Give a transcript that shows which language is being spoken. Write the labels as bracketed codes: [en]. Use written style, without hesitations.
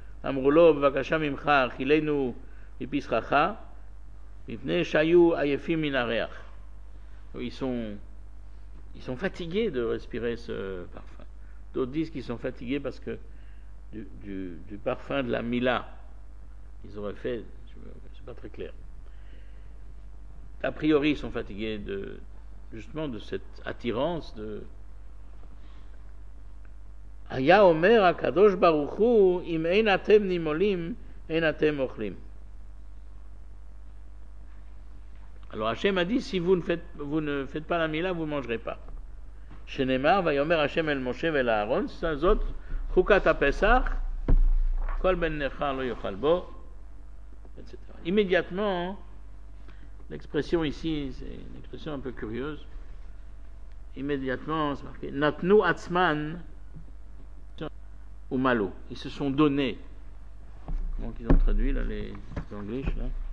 [he] אמרו לו, בבקשה ממך, אכילנו מפסחך, מפני שהיו עייפים מן הריח. [fr] Ils sont fatigués de respirer ce parfum. D'autres disent qu'ils sont fatigués parce que du parfum de la Mila, ils auraient fait, c'est pas très clair. A priori, ils sont fatigués justement de cette attirance de... [he] היה אומר הקדוש ברוך הוא אם אין אתם נימולים אין אתם אוכלים. [fr] Alors Hashem a dit, si vous ne faites pas la mila, vous ne mangerez pas. [he] שנאמר ויאמר Hashem אל משה ואל אהרון, זאת חוקת הפסח, כל בנך לא יאכל בו, etc. [fr] Immédiatement, l'expression ici, c'est une expression un peu curieuse, immédiatement, c'est marqué, [he] נתנו עצמן [fr] ou malo, ils se sont donnés. Comment qu'ils ont traduit là les anglais là?